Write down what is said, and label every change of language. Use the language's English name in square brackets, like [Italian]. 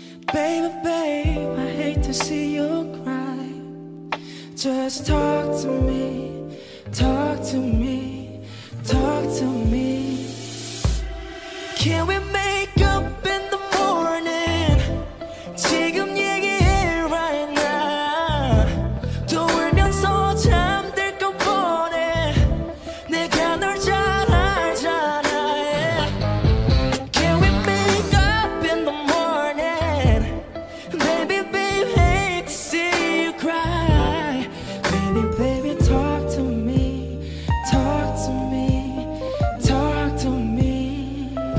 [English] Baby babe I hate to see you cry Just talk to me Talk to me Talk to me Can we make up in the morning? [Korean] 지금 얘기해 [English] right now [Korean] 또 울면서 잠들 것 뻔해 내가 널 잘 알잖아 yeah. [English] Can we make up in the morning? Baby, baby, hate to see you cry Baby, baby, talk to me Talk to me Talk to me